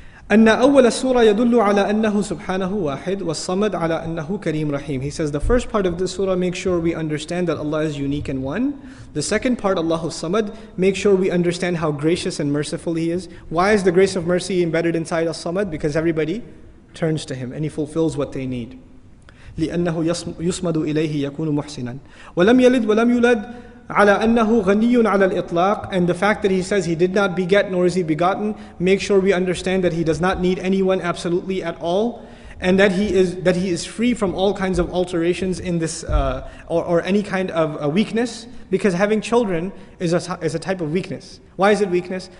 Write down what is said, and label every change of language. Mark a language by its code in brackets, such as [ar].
[ar] أن أول السورة يدل على أنه سبحانه واحد والصمد على أنه كريم رحيم. [en] He says the first part of this surah, make sure we understand that Allah is unique and one. The second part, Allahu Samad, make sure we understand how gracious and merciful He is. Why is the grace of mercy embedded inside al-Samad? Because everybody turns to Him and He fulfills what they need. [ar] لأنه يصمد إليه يكون محسنا ولم يلد ولم يولد على أنه غني على الإطلاق. [en] And the fact that he says he did not beget nor is he begotten, make sure we understand that he does not need anyone absolutely at all, and that he is free from all kinds of alterations in this or any kind of a weakness, because having children is a type of weakness. Why is it weakness?